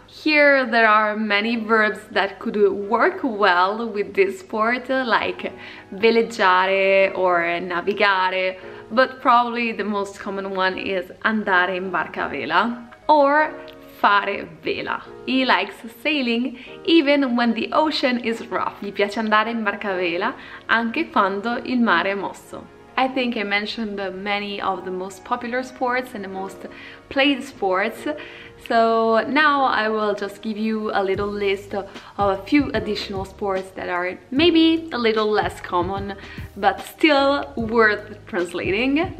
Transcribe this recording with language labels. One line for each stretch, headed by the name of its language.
English: Here there are many verbs that could work well with this sport, like veleggiare or navigare, but probably the most common one is andare in barca a vela or fare vela. He likes sailing even when the ocean is rough.
Italian: Gli piace andare in barca a vela anche quando il mare è mosso.
English: I think I mentioned many of the most popular sports and the most played sports. So now I will just give you a little list of a few additional sports that are maybe a little less common, but still worth translating.